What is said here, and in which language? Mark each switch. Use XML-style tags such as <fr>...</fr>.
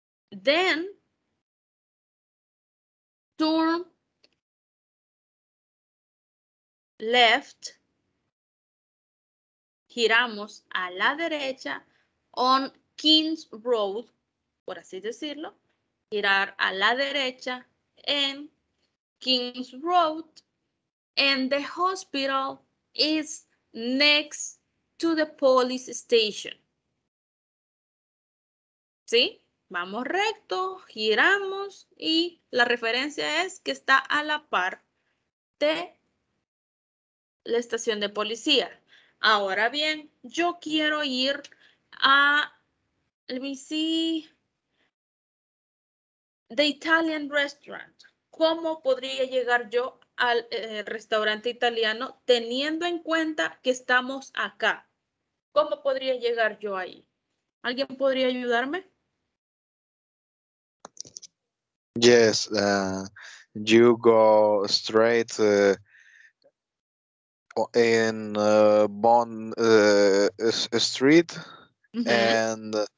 <en>Then, turn left.</en> <es>Giramos a la derecha on King's Road, por así decirlo. Girar a la derecha en</es> <en>King's Road, and the hospital is next to the police station.</en> <es>¿Sí? Vamos recto, giramos y la referencia es que está a la par de la estación de policía. Ahora bien, yo quiero ir a,</es> <en>let me see, the Italian restaurant.</en> <es>¿Cómo podría llegar yo al restaurante italiano teniendo en cuenta que estamos acá? ¿Cómo podría llegar yo ahí? ¿Alguien podría ayudarme?</es> <en>Yes, you go straight in Bond Street, mm-hmm.</en>